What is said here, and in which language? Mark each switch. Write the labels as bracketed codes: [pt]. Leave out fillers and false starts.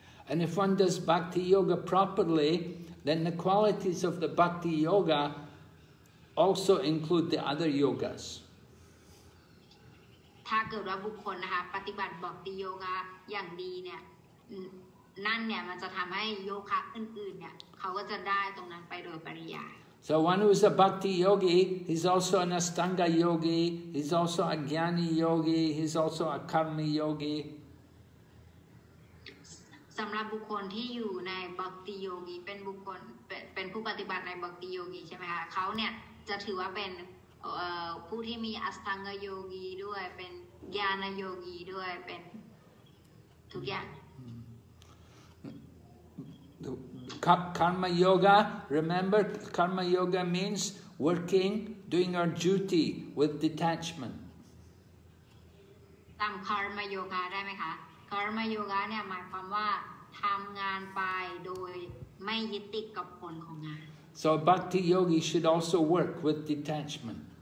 [en] And if one does bhakti yoga properly, then the qualities of the bhakti yoga. Also include the other yogas. [th] ถ้าเกิดว่าบุคคลนะคะปฏิบัติบอกติโยกะอย่างดีเนี่ยนั่นเนี่ยมันจะทำให้โยคะอื่นๆเนี่ยเขาก็จะได้ตรงนั้นไปโดยปริยาย [en] So one who is a bhakti yogi, he's also an astanga yogi, he's also a jnani yogi, he's also a karma yogi. [th] สำหรับบุคคลที่อยู่ในบอกติโยกีเป็นบุคคลเป็นผู้ปฏิบัติในบอกติโยกีใช่ไหมคะเขาเนี่ยจะถือว่าเป็นผู้ที่มีอสังกโยกีด้วยเป็นญาณโยกีด้วยเป็นทุกอย่าง [en] Karma yoga, remember, karma yoga means working, doing our duty with detachment. [th] ตามคารมาโยคะได้ไหมคะคารมาโยคะเนี่ยหมายความว่าทำงานไปโดยไม่ยึดติดกับผลของงาน [en] So a bhakti yogi should also work with detachment.